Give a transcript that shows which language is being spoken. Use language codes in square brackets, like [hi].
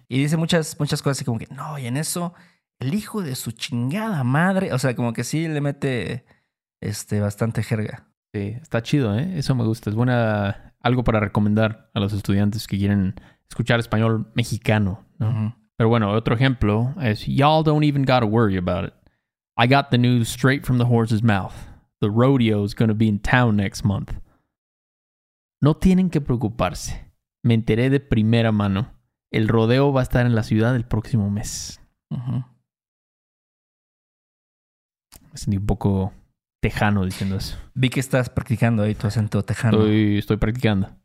[es] Y dice muchas cosas así como que, no, y en eso, el hijo de su chingada madre, o sea, como que sí le mete bastante jerga. Sí, está chido, ¿eh? Eso me gusta. Es buena, algo para recomendar a los estudiantes que quieren escuchar español mexicano, ¿no? [en] Uh-huh. [es] Pero bueno, otro ejemplo es, [en] y'all don't even gotta worry about it. I got the news straight from the horse's mouth. The rodeo's gonna be in town next month. [es] No tienen que preocuparse. Me enteré de primera mano. El rodeo va a estar en la ciudad el próximo mes. Uh-huh. Me sentí un poco tejano diciendo eso. Vi que estás practicando ahí tu acento tejano. Estoy practicando.